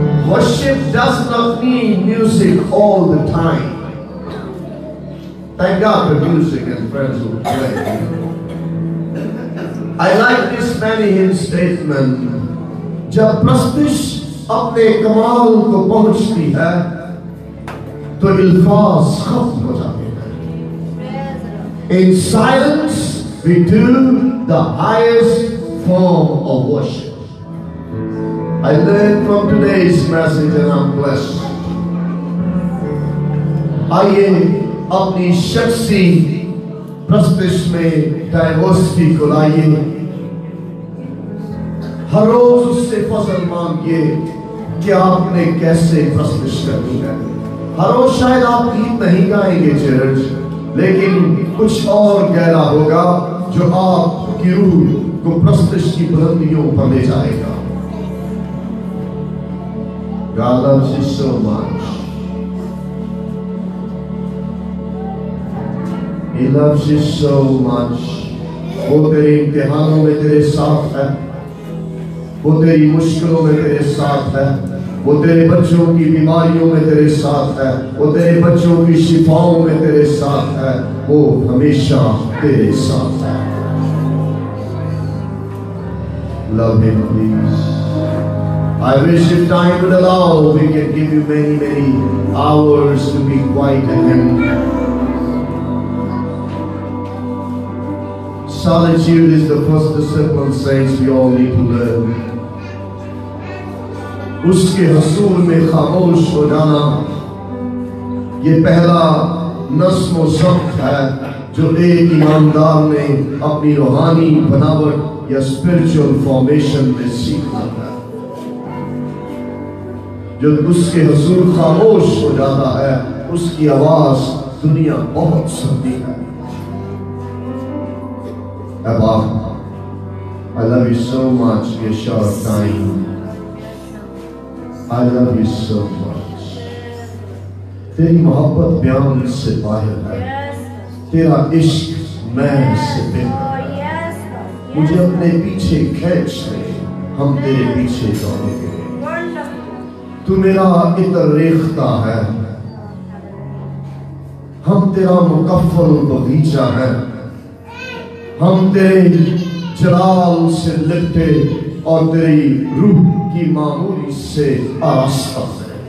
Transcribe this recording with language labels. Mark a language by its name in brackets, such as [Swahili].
[English] Worship does not need music all the time. Thank God for music and friends who play. I like this many hymn statement. [Urdu] جب پرستش اپنے کمال کو پہنچتی ہے تو الفاظ ختم ہو جاتے ہیں. [English] In silence we do the highest form of worship. I learned from today's message and I'm blessed. [Urdu] آئیے اپنی شخصی پرستش میں ڈائیورسٹی کو لائیے. ہر روز اس سے فضل مانگیے کہ آپ نے کیسے پرستش کرنی ہے. ہر روز شاید آپ گیت نہیں گائیں گے چرچ, لیکن کچھ اور گہرا ہوگا جو آپ کی روح کو پرستش کی بلندیوں پر لے جائے گا. [English] God loves you so much. He loves you so much. [Urdu] وہ تیرے امتحانوں میں تیرے ساتھ ہے, وہ تیری مشکلوں میں تیرے ساتھ ہے, وہ تیرے بچوں کی بیماریوں میں تیرے ساتھ ہے, وہ تیرے بچوں کی شفاؤں میں تیرے ساتھ ہے, وہ ہمیشہ تیرے ساتھ ہے. [English] Love him please. I wish if time would allow we can give you many many hours to be quiet in him. Solitude is the first discipline saints we all need to learn. [Urdu] اس کے حضور میں خاموش ہو جانا یہ پہلا نظم و ضبط ہے جو ایک ایماندار نے اپنی روحانی بناوٹ یا اسپرچل فارمیشن میں سیکھنا ہے. جو اس کے حضور خاموش ہو جاتا ہے اس کی آواز دنیا بہت سنتی ہے. اے باپ, [English] I love you so much. [Urdu] یہ short time, [English] I love you so much. [Urdu] تیری محبت بیان سے باہر ہے, تیرا عشق میں سے بہتر ہے. مجھے اپنے پیچھے کھینچ لے, ہم تیرے پیچھے دوڑیں گے. تو میرا عطر ریختہ ہے, ہم تیرا مکفل بغیچہ ہے, ہم تیرے جلال سے لپٹے اور تیری روح کی معمولی سے آراستہ ہے.